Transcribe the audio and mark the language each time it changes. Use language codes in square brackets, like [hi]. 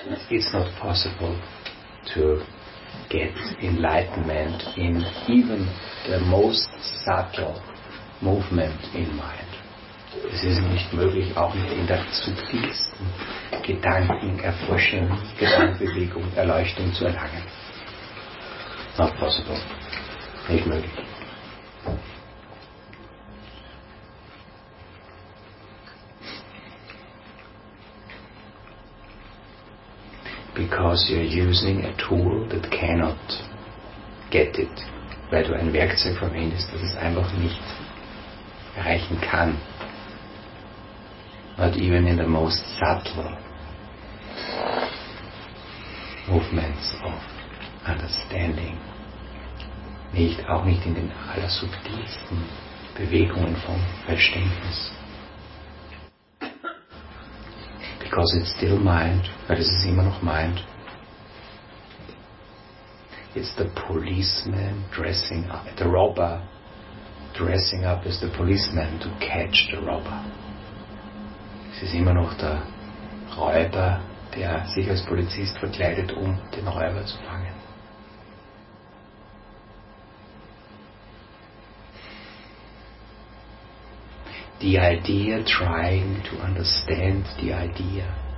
[en] It's not possible to get enlightenment in even the most subtle movement in mind. [de] Es ist nicht möglich, auch nicht in der subtilsten Gedankenerforschung, Gedankenbewegung, Erleuchtung zu erlangen. [en] Not possible. [de] Nicht möglich. [en] Because you're using a tool that cannot get it. [de] Weil du ein Werkzeug verwendest, das es einfach nicht erreichen kann. [en] Not even in the most subtle movements of understanding. [de] Nicht, auch nicht in den allersubtilsten Bewegungen von Verständnis. [en] Because it's still mind, [de] weil es ist immer noch mind. [en] It's the policeman dressing up, the robber dressing up as the policeman to catch the robber. [de] Es ist immer noch der Räuber, der sich als Polizist verkleidet, um den Räuber zu fangen. [en] The idea trying to understand the idea.